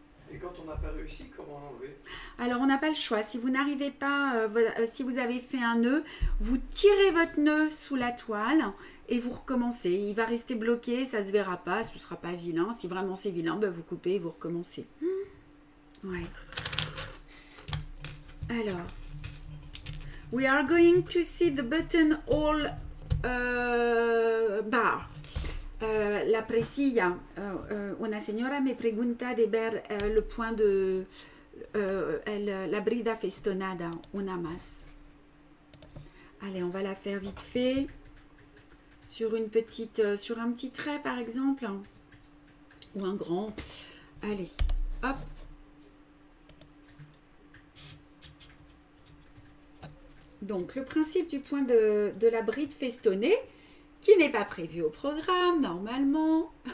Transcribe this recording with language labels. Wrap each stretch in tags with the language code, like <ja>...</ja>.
<fr>Et quand on n'a pas réussi, comment l'enlever? Alors, on n'a pas le choix. Si vous n'arrivez pas, si vous avez fait un nœud, vous tirez votre nœud sous la toile et vous recommencez. Il va rester bloqué, ça ne se verra pas, ce ne sera pas vilain. Si vraiment c'est vilain, ben vous coupez et vous recommencez. Mmh. Ouais. Alors,</fr> <en>we are going to see the buttonhole bar.</en> <es>La presilla, una señora me pregunta de ver</es> <fr>le point de</fr> <es>la brida festonada, una más.</es> <fr>Allez, on va la faire vite fait sur un petit trait par exemple. ou un grand. Allez, hop. Donc, le principe du point de la bride festonnée, qui n'est pas prévu au programme, normalement.</fr>